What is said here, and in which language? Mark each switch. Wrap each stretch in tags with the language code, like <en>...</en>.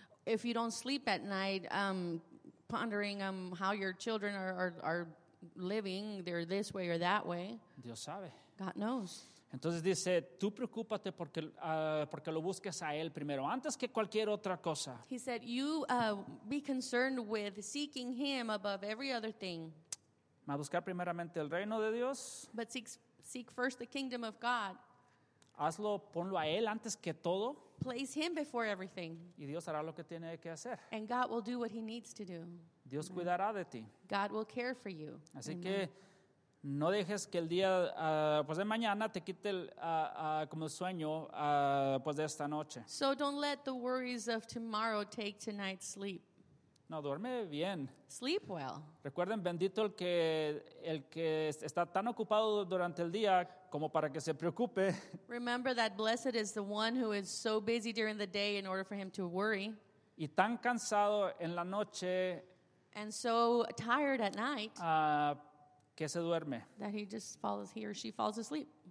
<en>If you don't sleep at night, pondering how your children are living, they're this way or that way.</en> <es>Dios sabe.</es> <en>God knows.</en> <es>Entonces dice, tú preocúpate porque lo busques a él primero antes que cualquier otra cosa.</es> <en>He said, you be concerned with seeking him above every other thing.</en> <es>Va a buscar primeramente el reino de Dios.</es> <en>But seek first the kingdom of God.</en> <es>Hazlo, ponlo a él antes que todo.</es> <en>Place him before everything.</en> <es>Y Dios hará lo que tiene que hacer.</es> <en>And God will do what he needs to do.</en> <es>Dios Amen. Cuidará de ti.</es> <en>God will care for you.</en> <es>Así Amen. Que no dejes que el día pues de mañana te quite como el sueño pues de esta noche.</es> <en>So don't let the worries of tomorrow take tonight's sleep.</en> <es>No, duerme bien.</es> <en>Sleep well.</en> <es>Recuerden, bendito el que está tan ocupado durante el día como para que se preocupe.</es> <en>Remember that blessed is the one who is so busy during the day in order for him to worry.</en> <es>Y tan cansado en la noche.</es> <en>And so tired at night.</en> <es>Que se duerme.</es> <en>That he just falls, he or she falls asleep.</en>